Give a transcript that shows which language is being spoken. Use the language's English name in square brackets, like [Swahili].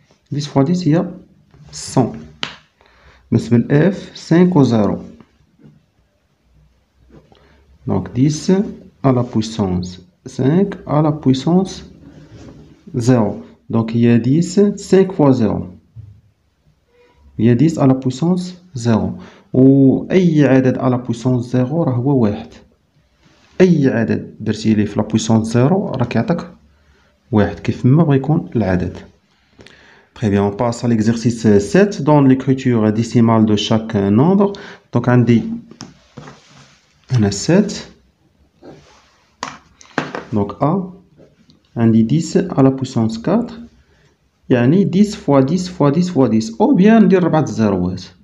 [French] 10 fois 10, il y a 100. Binisval F, 5 au 0. Donc 10 à la puissance 5 à la puissance 0. Donc il y a 10, 5 fois 0. Il y a 10 à la puissance 0. [Arabic] وأي عدد على بويسونس زيرو راه هو واحد. أي عدد درتي ليه في لا بويسونس زيرو راه كيعطيك واحد كيف ما بغا يكون العدد. [French] Très bien, on passe à l'exercice 7 dans l'écriture décimale de chaque nombre. Donc, on dit 7, donc A, on dit 10 à la puissance 4, et on dit 10 fois 10 fois 10 fois 10, ou bien on dit 4 zéros.